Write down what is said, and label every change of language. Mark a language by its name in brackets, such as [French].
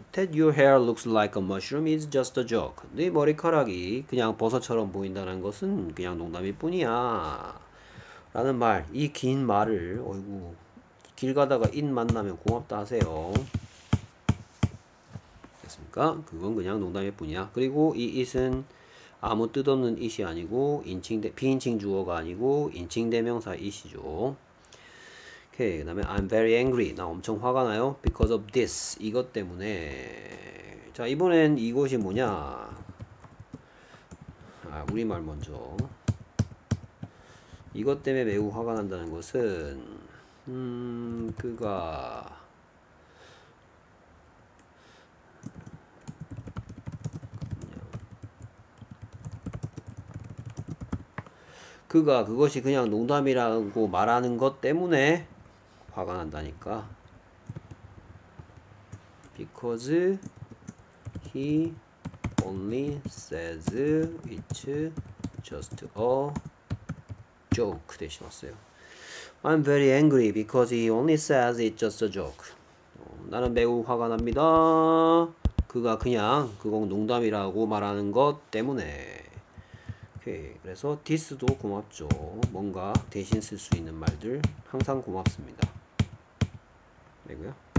[English] That your hair looks like a mushroom is just a joke. [Korean] 네 머리카락이 그냥 버섯처럼 보인다는 것은 그냥 농담일 뿐이야. 라는 말. 이긴 말을, 어이구. 길 가다가 인 만나면 고맙다 하세요. 됐습니까? 그건 그냥 농담일 뿐이야. 그리고 이 it은 아무 뜻없는 it이 아니고, 비인칭 주어가 아니고, 인칭 대명사 it이죠. 오케이, 그다음에 [English] I'm very angry. [Korean] 나 엄청 화가 나요. [English] Because of this. [Korean] 이것 때문에. 자, 이번엔 이것이 뭐냐? 아, 우리말 먼저. 이것 때문에 매우 화가 난다는 것은 그가 그것이 그냥 농담이라고 말하는 것 때문에 화가 난다니까. [English] Because he only says it's just a joke. [Korean] 대신 왔어요. [English] I'm very angry because he only says it's just a joke. [Korean] 나는 매우 화가 납니다. 그가 그냥 그건 농담이라고 말하는 것 때문에. 오케이. 그래서 this도 고맙죠. 뭔가 대신 쓸수 있는 말들 항상 고맙습니다. 되고요.